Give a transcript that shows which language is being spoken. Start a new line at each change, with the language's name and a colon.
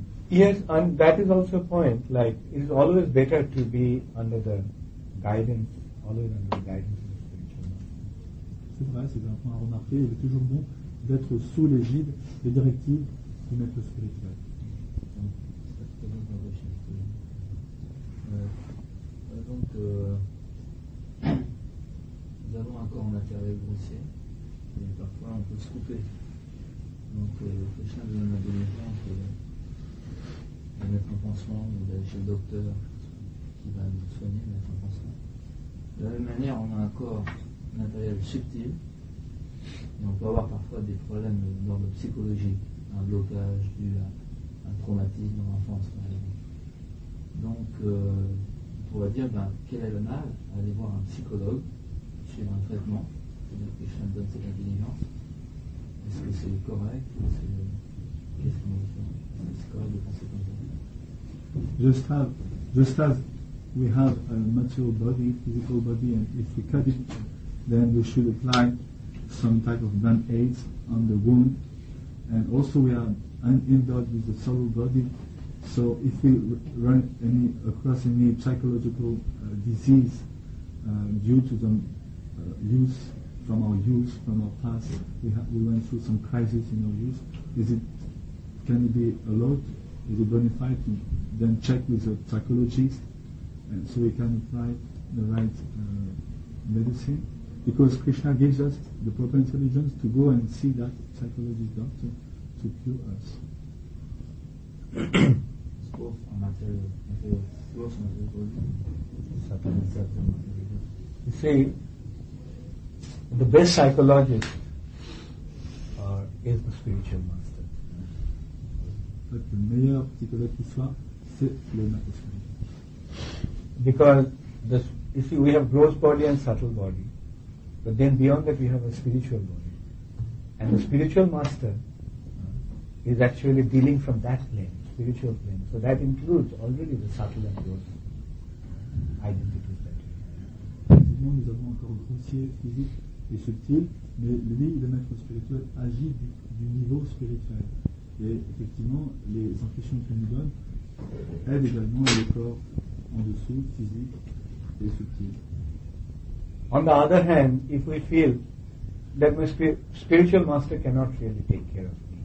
English: Yes, and that is also a point, like, it is always better to be under the guidance, always under the guidance of the spiritual master.
French: C'est vrai, c'est un point à remarquer, il est toujours bon d'être sous l'égide des directives du maître spirituel. Donc, c'est tellement de recherche. Donc, nous avons encore un intérêt grossier, et parfois on peut se couper. Donc, Krishna nous en a donné compte. De mettre en pansement ou d'aller chez le docteur qui va nous soigner, mettre en pansement. De la même manière, on a un corps matériel subtil et on peut avoir parfois des problèmes d'ordre psychologique, un blocage dû à un traumatisme dans l'enfance. Donc, on pourrait dire ben, quel est le mal à aller voir un psychologue, suivre un traitement, c'est-à-dire que je me donne cette intelligence. Est-ce que c'est correct ou qu'est-ce qu'on veut faire? Est-ce correct de penser comme ça?
English: Just as we have a material body, physical body, and if we cut it, then we should apply some type of band-aids on the wound. And also we are endowed with a subtle body, so if we run across any psychological disease due to the use from our past, we went through some crisis in our youth, can it be allowed? Is it bona fide to then check with a psychologist and so we can apply the right medicine? Because Krishna gives us the proper intelligence to go and see that psychologist doctor to cure us. It's both a material body, certain. You see, the best psychologist is the spiritual mind. Le meilleur psychologue qui soit, c'est le maître spirituel. Because this, you see, we have gross body and subtle body, but then beyond that we have a spiritual body, and the spiritual master is actually dealing from that plane, spiritual plane. So that includes already the subtle and gross identities that we have.
French: Nous, nous avons encore grossier, physique et subtil, mais lui, le maître spirituel, agit du niveau spirituel. Et effectivement, les impressions qu'il nous donne aident également le corps en dessous, physique et subtil.
English: On the other hand, if we feel that my spiritual master cannot really take care of